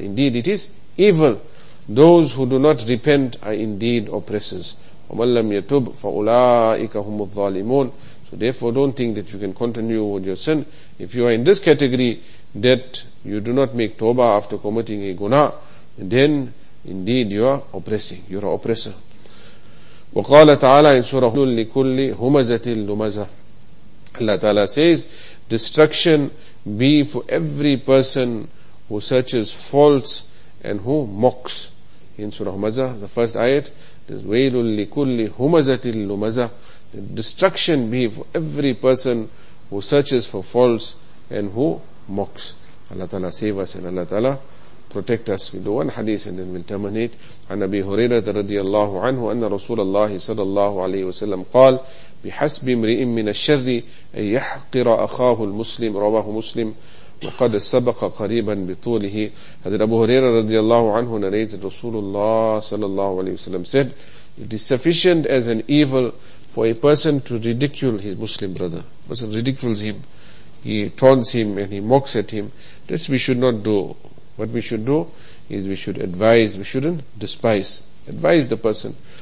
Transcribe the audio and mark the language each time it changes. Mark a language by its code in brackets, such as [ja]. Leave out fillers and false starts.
[en] Indeed, it is evil. Those who do not repent are indeed oppressors. [ar] وَمَنْ لَمْ يَتُبْ فَأُولَٰئِكَ هُمُ الظَّالِمُونَ. [en] So therefore, don't think that you can continue with your sin. If you are in this category, that you do not make tawbah after committing a guna, then indeed you are oppressing. You are an oppressor. [ar] وَقَالَ تَعَالَىٰ [en] in Surah Hud [ar] لِكُلِّ هُمَزَةِ الْلُمَزَةِ. [en] Allah Ta'ala says, destruction be for every person who searches faults and who mocks. in Surah Humazah, the first ayat, there's [ar] وَيْلٌ لِكُلِّ هُمَزَةٍ لُمَزَةٍ, [en] destruction be for every person who searches for faults and who mocks. Allah Ta'ala save us and Allah Ta'ala protect us. We do one hadith and then we'll terminate. [ar] عن أبي هريرة رضي الله عنه أن رسول الله صلى الله عليه وسلم قال بحسب امرئ من الشر أن يحقر أخاه المسلم, رواه مسلم وقد سبق قريبا بطوله. [en] حضرت أبو هريرة رضي الله عنه narrated رسول الله صلى الله عليه وسلم said, it is sufficient as an evil for a person to ridicule his Muslim brother. A person ridicules him, he taunts him and he mocks at him. This we should not do. What we should do is we should advise, we shouldn't despise. Advise the person.